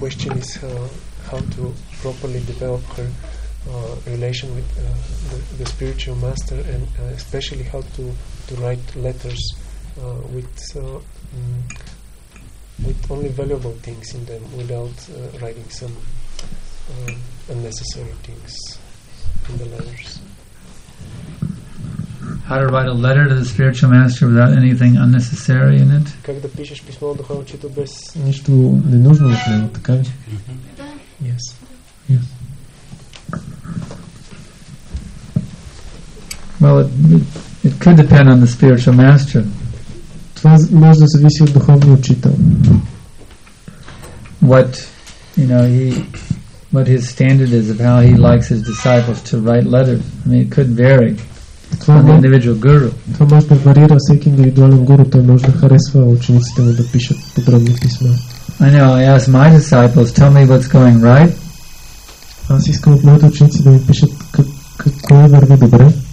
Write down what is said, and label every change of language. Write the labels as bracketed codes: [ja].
[en] How to properly develop her relation with the spiritual master, and especially how to write letters with only valuable things in them, without writing some unnecessary things in the letters. How to write a letter to the spiritual master without anything unnecessary in it? [bg] Как да пишеш писмо до духовен учител без нищо ненужно в него, така ли? [en] Yes. Yes. Well, it could depend on the spiritual master. [bg] Това може да зависи от духовния учител. [en] What, you know, what his standard is of how he likes his disciples to write letters. I mean, it could vary. [bg] Това може да варира всеки индивидуален гуру, той може да харесва учениците му да пишат подробни писма. [en] I know, I ask my disciples, tell me what's going right. [bg] Аз искам от моите ученици да ми пишат какво върви добре.